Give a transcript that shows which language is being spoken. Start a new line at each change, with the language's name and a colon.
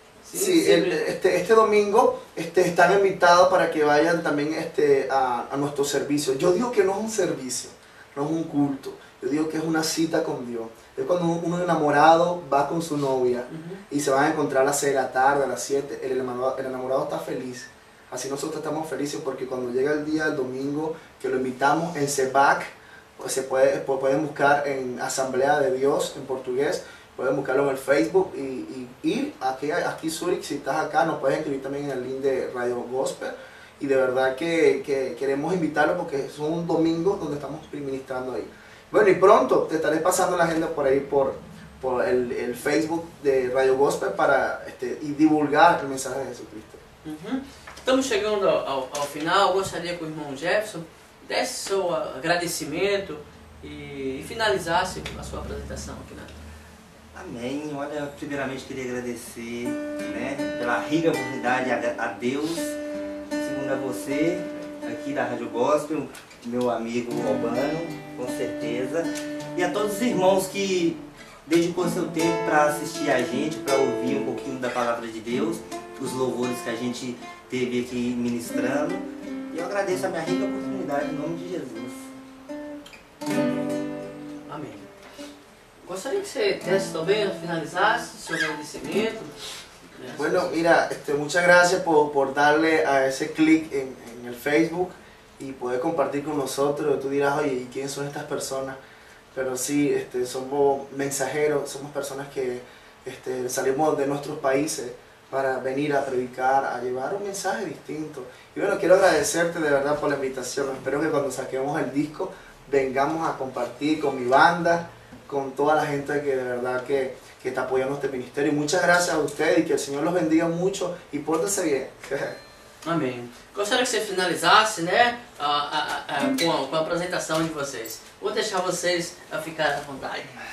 Portuguese: Sim, este domingo estão
Spanish: invitados para que vayan
Portuguese: também a nosso serviço. Eu digo que não é um serviço, não é um culto. Eu digo que é uma cita com Deus. É quando um enamorado vai com sua novia e se vai encontrar às 6 da tarde, às 7, o enamorado está feliz. Assim nós estamos felizes porque quando chega o dia do domingo que o invitamos em Sebac,
Spanish: se pueden buscar en Asamblea de Dios en portugués, pueden buscarlo en el Facebook y ir aquí a Zurich. Si estás acá, nos puedes escribir también en el link de Radio Gospel. Y de verdad que queremos invitarlo porque es un domingo donde estamos ministrando ahí. Bueno, y pronto te estaré pasando la agenda por ahí por el Facebook de Radio Gospel para y divulgar el mensaje de Jesucristo. Estamos llegando al final.
Portuguese: Gostaria que o irmão Jefferson desse seu agradecimento e finalizasse a sua apresentação aqui, né? Amém. Olha, primeiramente queria agradecer, né, pela rica oportunidade a Deus. Segundo a você, aqui da Rádio Gospel, meu amigo Albano, com certeza. E a todos os irmãos que dedicou seu tempo para assistir a gente, para ouvir um pouquinho da palavra de Deus, os louvores que a gente teve aqui ministrando. E eu agradeço a minha rica oportunidade. Em nome de Jesus. Amém. Gostaria que você tivesse também finalizasse seu agradecimento.
Spanish: Bueno, mira, muchas gracias por darle a ese click en el Facebook y poder compartir con nosotros. Tú dirás, oye, ¿y quiénes son estas personas? Pero sí, somos mensajeros, somos personas que salimos de nuestros países para venir a predicar, a llevar un mensaje distinto. Y bueno, quiero agradecerte de verdad por la invitación. Espero que cuando saquemos el disco vengamos a compartir con mi banda, con toda la gente que de verdad que está apoyando este ministerio. Y muchas gracias a ustedes y que el Señor los bendiga mucho. Y pórtense bien. Amén.
Portuguese: Gostaria que se finalizasse, né, com a apresentação de vocês. Vou deixar vocês a ficar à vontade.